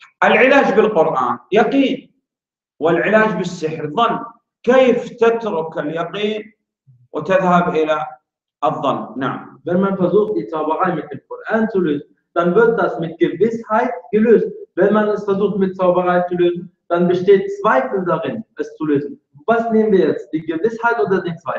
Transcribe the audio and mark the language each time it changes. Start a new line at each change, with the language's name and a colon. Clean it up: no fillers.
Arabic: العلاج بالقرآن يقين. والعلاج بالسحر ظن. كيف تترك اليقين وتذهب إلى الظن؟ نعم.
German: Wenn man versucht, die Zauberei mit dem Koran zu lösen, dann wird das mit Gewissheit gelöst. Wenn man es versucht, mit Zauberei zu lösen, dann besteht Zweifel darin, es zu lösen. Was nehmen wir jetzt, die Gewissheit oder den